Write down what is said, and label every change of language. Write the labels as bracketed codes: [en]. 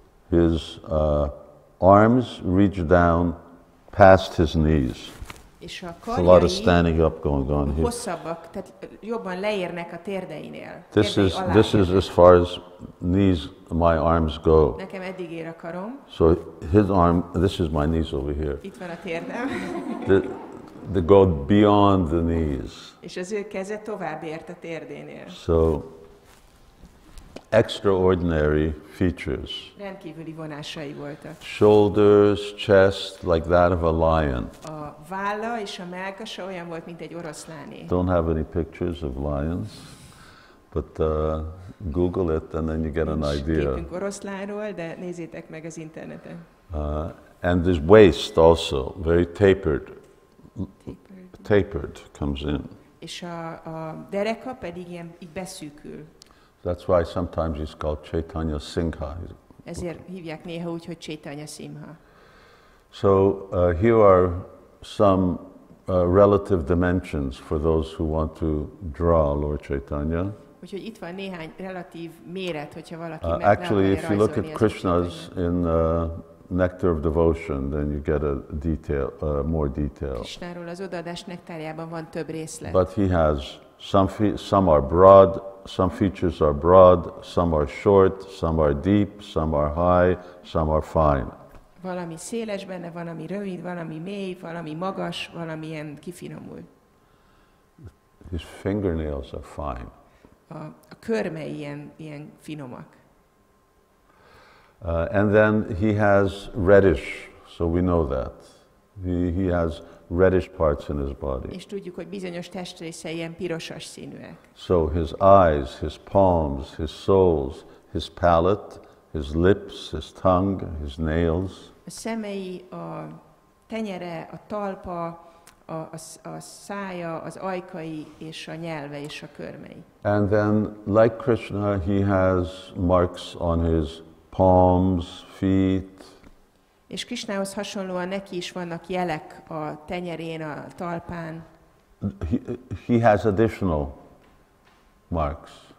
[en] His arms reach down past his knees. A lot of standing up going on here. [hu] Hosszabbak, tehát jobban leérnek a térdeinél. [en] This is as far as knees, my arms go. [hu] Nekem eddig ér a karom. [en] So his arm, this is my knees over here. [hu] Itt van a térdem. [en] They go beyond the knees. [hu] És az ő keze tovább ért a térdénél. [en] So extraordinary features. [hu] Rendkívüli vonásai voltak. [en] Shoulders, chest, like that of a lion. [hu] A válla és a mellkasa olyan volt, mint egy oroszláné. [en] Don't have any pictures of lions, but Google it and then you get an idea. [hu] Képünk oroszlánról, de nézzétek meg az interneten. [en] And this waist also, very tapered. Tapered comes in. [hu] És a dereka pedig ilyen így beszűkül. [en] That's why sometimes he's called Chaitanya Singha. [hu] Ezért hívják néha úgy, hogy Chaitanya Simha. [en] So here are some relative dimensions for those who want to draw Lord Chaitanya. [hu] Úgyhogy itt van néhány relatív méret, hogyha valaki megnézi. [en] Actually, if you look at Krishna's in Nectar of Devotion, then you get a detail, more detail. [hu] Krishnáról az odaadás nektárjában van több részlet. [en] But he has some are broad, some features are broad, some are short, some are deep, some are high, some are fine. [hu] Valami széles benne, valami rövid, valami mély, valami magas, valamilyen kifinomult. [en] His fingernails are fine. [hu] A körme ilyen finomak. [en] And then he has reddish, so we know that. He has reddish parts in his body. [hu] És tudjuk, hogy bizonyos testrészei ilyen pirosas színűek. [en] So his eyes, his palms, his soles, his palate, his lips, his tongue, his nails. [hu] A szemei, a tenyere, a talpa, a szája, az ajkai és a nyelve és a körmei. [en] And then, like Krishna, he has marks on his palms, feet. [hu] És Krishnához hasonlóan neki is vannak jelek a tenyerén, a talpán. [en] He has additional marks.